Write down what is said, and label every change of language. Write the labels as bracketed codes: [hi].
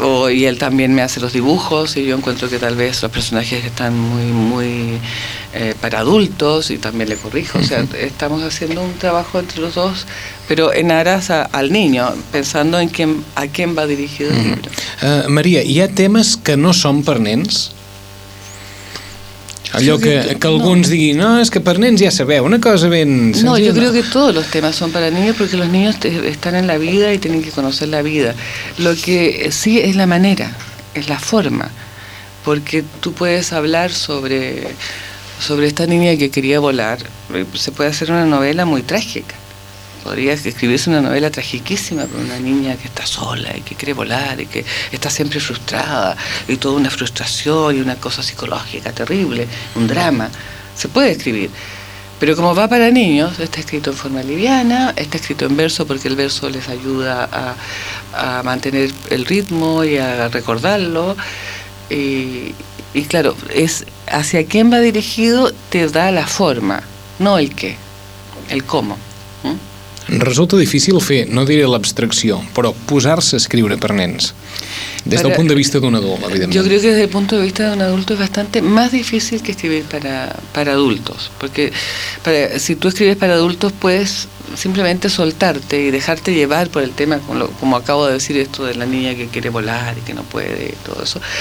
[es] Y él también me hace los dibujos y yo encuentro que tal vez los personajes están muy para adultos y también le corrijo. O sea, estamos haciendo un trabajo entre los dos, pero en aras al niño, pensando en a quién va dirigido el libro. [ca] Maria, hi ha temes que no són per nens? Allò que alguns diguin, no, és que per nens ja sabeu, una cosa ben senzilla. [es] No, yo creo que todos los temas son para niños porque los niños están en la vida y tienen que conocer la vida. Lo que sí es la manera, es la forma, porque tú puedes hablar sobre esta niña que quería volar. Se puede hacer una novela muy trágica. Podría escribirse una novela tragiquísima para una niña que está sola y que quiere volar y que está siempre frustrada y toda una frustración y una cosa psicológica terrible, un drama. Se puede escribir. Pero como va para niños, está escrito en forma liviana, está escrito en verso porque el verso les ayuda a mantener el ritmo y a recordarlo. Y claro, es hacia quién va dirigido, te da la forma, no el qué, el cómo. [ca] Resulta difícil fer, no diré l'abstracció, però posar-se a escriure per nens. Des del punt de vista d'un adult, evidentment. [es] Yo creo que desde el punto de vista de un adulto es bastante más difícil que escribir para adultos. Porque si tú escribes para adultos puedes simplemente soltarte y dejarte llevar por el tema, como acabo de decir esto de la niña que quiere volar y que no puede, todo eso.